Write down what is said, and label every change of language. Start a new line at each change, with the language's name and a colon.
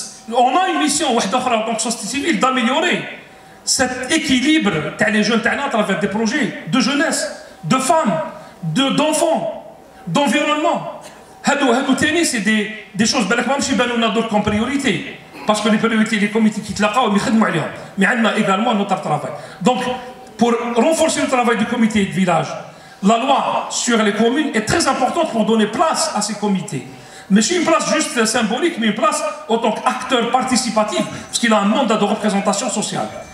French: On a une mission
Arabic: واحد اخرى
French: en tant que société civile d'améliorer cet équilibre تاع les jeunes تاعنا à travers des projets de jeunesse, de femmes, d'enfants, d'environnement.
Arabic: هادو تاني سي
French: des choses
Arabic: بالك ماهمش يبانوا لنا دوك
French: comme priorité. Parce que les priorités, les comités qui te l'accordent, mais ils travaillent. Mais on a également notre travail. Donc, pour renforcer le travail du comité de village, la loi sur les communes est très importante pour donner place à ces comités. Mais c'est une place juste symbolique, mais une place en tant qu'acteur participatif, parce qu'il a un mandat de représentation sociale.